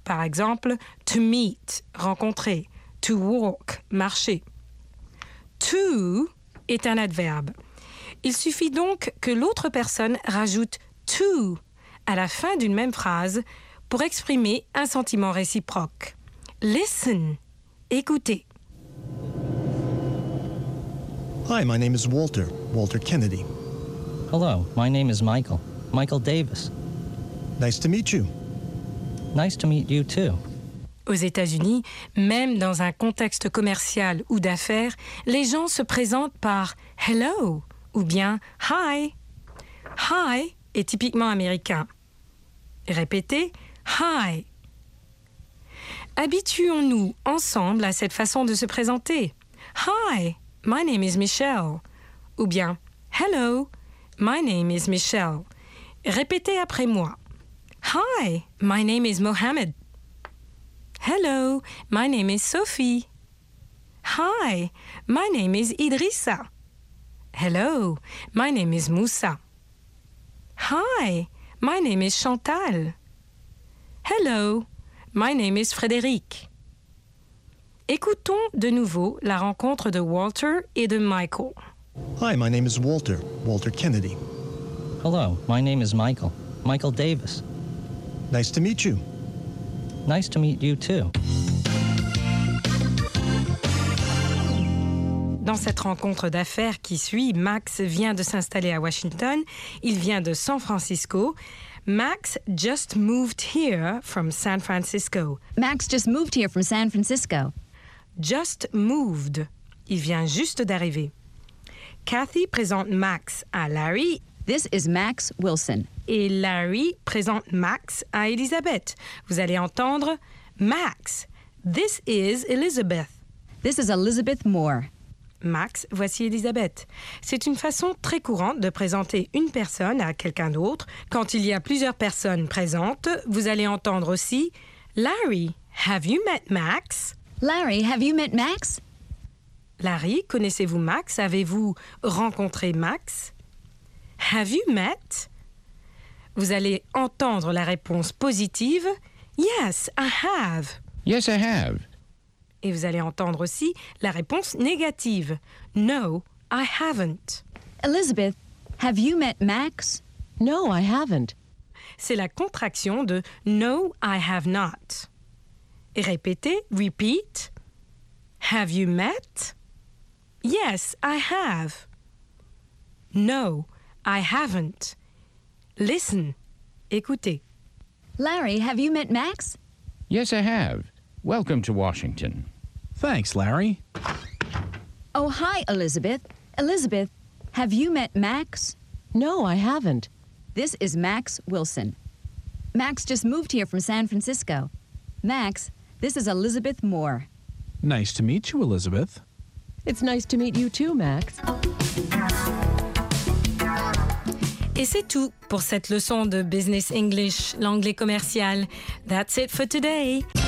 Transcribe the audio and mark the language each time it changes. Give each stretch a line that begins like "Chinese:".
French: Par exemple, to meet, rencontrer, to walk, marcher. To est un adverbe. Il suffit donc que l'autre personne rajoute to à la fin d'une même phrase pour exprimer un sentiment réciproque.
English: Listen, écoutez. Hi, my name is Walter, Walter Kennedy. Hello, my name is Michael, Michael Davis. Nice to meet you. Nice to meet you too.
French: Aux États-Unis, même dans un contexte commercial ou d'affaires, les gens se présentent par hello ou bien hi. Hi est typiquement américain. Répétez hi. Habituons-nous ensemble à cette façon de se présenter.
English: Hi. My name is Michelle.
French: Ou bien,
English: hello, my name is Michelle.
French: Répétez après moi.
English: Hi, my name is Mohammed. Hello, my name is Sophie. Hi, my name is Idrissa. Hello, my name is Moussa. Hi, my name is Chantal. Hello, my name is Frédéric.
French: Écoutons de nouveau la rencontre de Walter et de Michael.
English: Hi, my name is Walter, Walter Kennedy. Hello, my name is Michael, Michael Davis. Nice to meet you. Nice to meet you too.
French: Dans cette rencontre d'affaires qui suit, Max vient de s'installer à Washington. Il vient de San Francisco.
English: Max just moved here from San Francisco. Max just moved here from San Francisco. Just moved.
French: Il vient juste d'arriver. Kathy présente Max à Larry.
English: This is Max Wilson.
French: Et Larry présente Max à Elizabeth. Vous allez entendre Max.
English: This is Elizabeth. This is Elizabeth Moore.
French: Max, voici Elizabeth. C'est une façon très courante de présenter une personne à quelqu'un d'autre. Quand il y a plusieurs personnes présentes, vous allez entendre aussi Larry,
English: have you met Max? Larry, have you met Max?
French: Larry, connaissez-vous Max? Avez-vous rencontré Max?
English: Have you met?
French: Vous allez entendre la réponse positive.
English: Yes, I have. Yes, I have.
French: Et vous allez entendre aussi la réponse négative.
English: No, I haven't. Elizabeth, have you met Max? No, I haven't.
French: C'est la contraction de
English: no, I have not. Répétez, repeat. Have you met? Yes, I have. No, I haven't. Listen, écoutez. Larry, have you met Max? Yes, I have. Welcome to Washington. Thanks, Larry. Oh, hi, Elizabeth. Elizabeth, have you met Max? No, I haven't. This is Max Wilson. Max just moved here from San Francisco. Max, this is Elizabeth Moore. Nice to meet you, Elizabeth. It's nice to meet you too, Max.
French: Et c'est tout pour cette leçon de
English: Business English,
French: l'anglais commercial.
English: That's it for today.